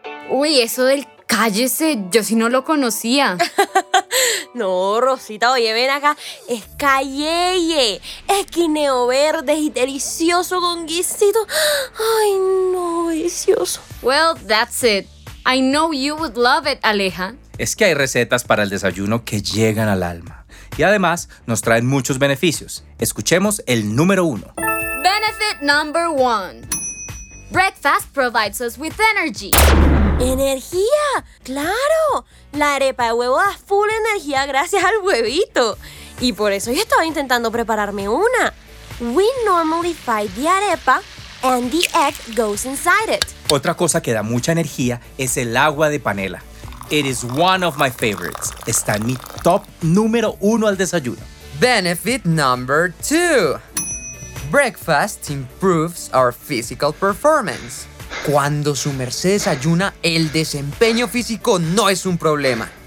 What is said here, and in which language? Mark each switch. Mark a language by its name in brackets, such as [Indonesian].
[Spanish] Uy, eso del cállese, yo sí no lo conocía. No, Rosita, oye, ven acá. Es calleye, es guineo verde y delicioso con guisito. Ay, no, delicioso. [English] Well, that's it. I know you would love it, Aleja. [Spanish] es que hay recetas para el desayuno que llegan al alma. Y además, nos traen muchos beneficios. Escuchemos el número uno. [English] Benefit number one. Breakfast provides us with energy. [Spanish] ¡Energía! ¡Claro! La arepa de huevo da full energía gracias al huevito. Y por eso yo estaba intentando prepararme una. [English] We normally fry the arepa and the egg goes inside it. [Spanish] Otra cosa que da mucha energía es el agua de panela. [English] It is one of my favorites. [Spanish] Está en mi top número uno al desayuno. [English] Benefit number two. Breakfast improves our physical performance. [Spanish] Cuando su merced desayuna, el desempeño físico no es un problema.